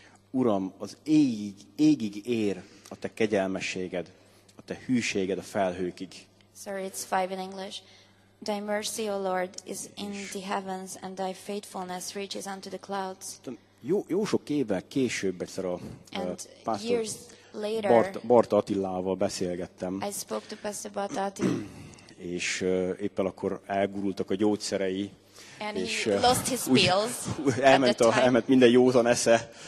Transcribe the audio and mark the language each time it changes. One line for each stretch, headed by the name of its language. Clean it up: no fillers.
Hungarian: Uram, az égig ér a te kegyelmességed. Te hűséged a felhőkig.
English: Sorry, it's 5 in English. Thy mercy, O Lord, is in the heavens, and thy faithfulness reaches unto the clouds.
Hungarian: Jó sok évvel később egyszer a pásztor Barta Attilával beszélgettem.
English: I spoke to Pastor Barta Atti.
Hungarian: És éppen akkor elgurultak a gyógyszerei.
English: And és he lost his pills.
Hungarian: Elment minden józan esze.